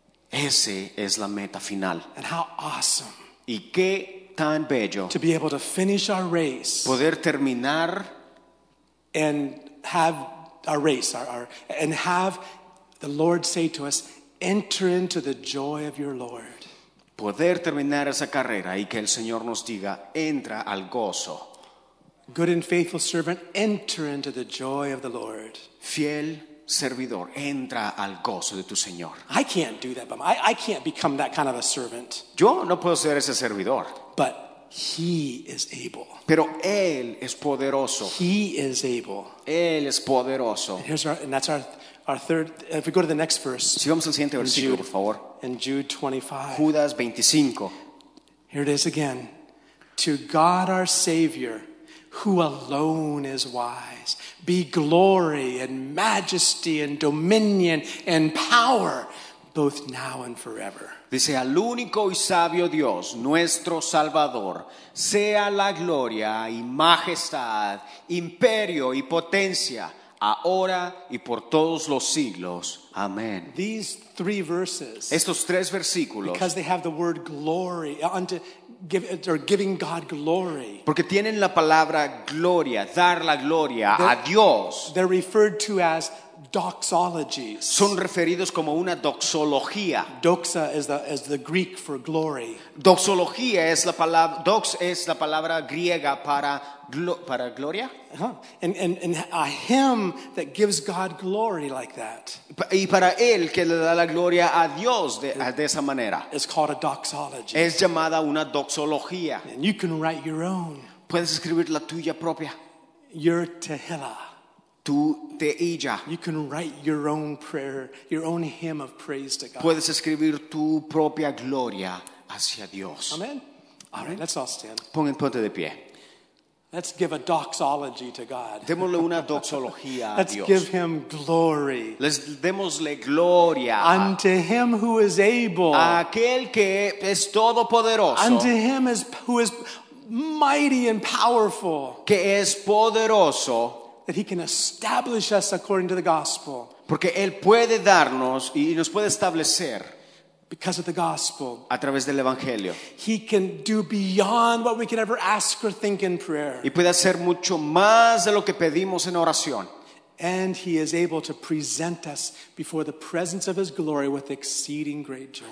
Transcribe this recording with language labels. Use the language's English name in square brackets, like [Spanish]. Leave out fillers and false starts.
[Spanish] Ese es la meta final. [English] And how awesome. [Spanish] Y qué tan bello. [English] To be able to finish our race. [Spanish] Poder terminar. [English] And have our race. And have the Lord say to us, enter into the joy of your Lord. [Spanish] Poder terminar esa carrera y que el Señor nos diga, entra al gozo. [English] Good and faithful servant, enter into the joy of the Lord. [Spanish] Fiel servidor, entra al gozo de tu Señor. [English] I can't do that, but I can't become that kind of a servant. [Spanish] Yo no puedo ser ese servidor. [English] But he is able. [Spanish] Pero él es poderoso. [English] He is able. [Spanish] Él es poderoso. [English] And that's our third. If we go to the next verse. [Spanish] Si vamos al siguiente versículo, [English] Jude, [Spanish] por favor. [English] In Jude 25. [Spanish] Judas 25. [English] Here it is again. To God our Savior. Who alone is wise, be glory and majesty and dominion and power, both now and forever. [Spanish] Dice, al único y sabio Dios, nuestro Salvador, sea la gloria y majestad, imperio y potencia, ahora y por todos los siglos. Amén. [English] These three verses, [Spanish] estos tres versículos, [English] because they have the word glory, unto giving God glory. [Spanish] Porque tienen la palabra gloria, dar la gloria a Dios. [English] They're referred to as doxologies. [Spanish] Son referidos como una doxología. [English] Doxa is the Greek for glory. [Spanish] Doxología es la palabra, dox es la palabra griega para gloria. Uh-huh. [English] And a hymn that gives God glory like that. [Spanish] Y para él que le da la gloria a Dios de esa manera. [English] It's called a doxology. [Spanish] Es llamada una doxología. [English] And you can write your own. [Spanish] Puedes escribir la tuya propia. [English] Your Tehillah. [Spanish] Tu Tehillah. [English] You can write your own prayer, your own hymn of praise to God. [Spanish] Puedes escribir tu propia gloria hacia Dios. [English] Amen. All right, let's all stand. [Spanish] Ponte de pie. [English] Let's give a doxology to God. [Spanish] Démosle una doxología a [English] Let's [Spanish] Dios. [English] Give him glory. [Spanish] Les démosle gloria. [English] Unto him who is able. [Spanish] A aquel que es todopoderoso. [English] Unto him who is mighty and powerful. [Spanish] Que es poderoso. [English] That he can establish us according to the gospel. [Spanish] Porque él puede darnos y nos puede establecer. [English] Because of the gospel, [Spanish] a través del evangelio, [English] he can do beyond what we can ever ask or think in prayer. [Spanish] Y puede hacer mucho más de lo que pedimos en oración. [English] And he is able to present us before the presence of his glory with exceeding great joy.